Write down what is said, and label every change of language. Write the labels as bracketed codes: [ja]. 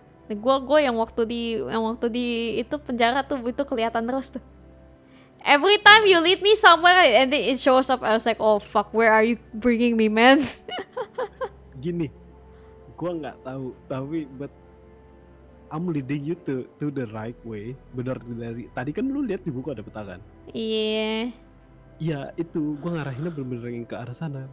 [id] Gue yang waktu di itu penjara tuh, itu kelihatan terus tuh. [en] Every time you lead me somewhere and then it shows up, I was like, oh fuck, where are you bringing me, man? [id] Gini, gua nggak tahu, tapi [en] but I'm leading you to the right way. [id] Benar, dari tadi kan lu lihat di buku ada peta kan? Iya. Yeah. Ya itu, gua ngarahinnya benar-benar yang ke arah sana.